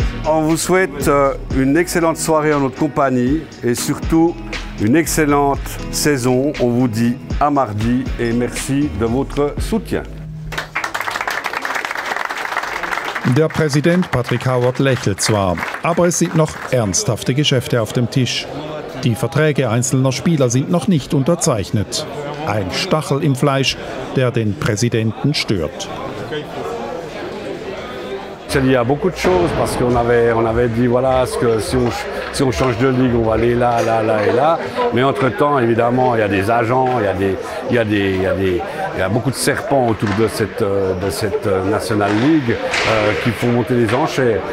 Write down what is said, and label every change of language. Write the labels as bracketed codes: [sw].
[fr] on vous souhaite une excellente soirée en notre compagnie et surtout une excellente saison. On vous dit à mardi et merci de votre soutien. [de] Der Präsident Patrick Howard lächelt zwar, aber es sind noch ernsthafte Geschäfte auf dem Tisch. Die Verträge einzelner Spieler sind noch nicht unterzeichnet. Ein Stachel im Fleisch, der den Präsidenten stört. [fr] Il y a beaucoup de choses parce qu'on avait dit voilà, que si on change de ligue, on va aller là, là, là et là. Mais entre-temps, évidemment, il y a des agents, il y a beaucoup de serpents autour de cette National League qui font monter les enchères.